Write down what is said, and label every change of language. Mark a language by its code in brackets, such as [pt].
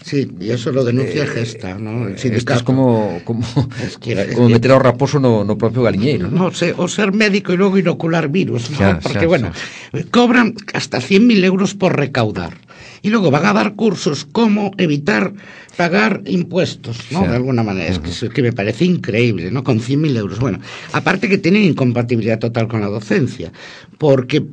[es] Sí, e eso lo denuncia Gesta, ¿no? El sindicato. Esto es como [gl] meter ao raposo no propio galiñeiro, ¿no? [es] No sé, [gl] o ser médico e logo inocular virus, ¿no? [es] Ya, porque, ya, bueno, ya. Cobran hasta 100.000 euros por recaudar. Y luego van a dar cursos cómo evitar pagar impuestos, ¿no? Sí. De alguna manera. Uh-huh. Es que me parece increíble, ¿no? Con 100.000 euros. Bueno, aparte que tienen incompatibilidad total con la docencia, porque